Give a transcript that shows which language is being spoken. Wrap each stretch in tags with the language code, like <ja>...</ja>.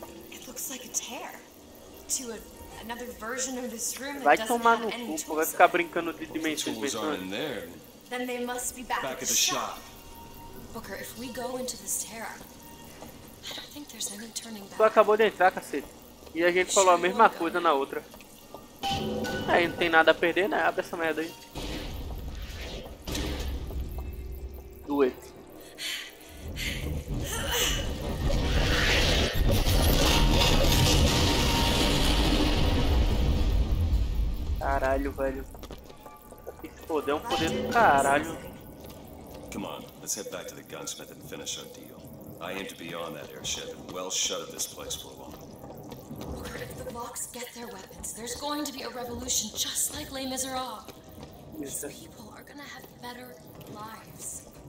<en>It looks like a tear to a, another version of this room.</en> <pt>Vai tomar no cu, vai ficar brincando de dimensões.</pt> <en>Then they must be back at the shop. Booker, if we go into this tear, I don't think there's any turning back.</en> <pt>Tu acabou de entrar, cacete. E a gente falou a mesma coisa na outra. Aí não tem nada a perder, né? Abre essa merda aí.</pt> <en>Do it.</en> <pt>Caralho, velho. Esse poder é um poder do caralho.</pt> <en>Come on, let's head back to the gunsmith and finish our deal. I aim to be on that airship and well shut of this place for a while. Get their weapons. There's going to be a revolution just like Les Miserables. These people are gonna have better lives.</en>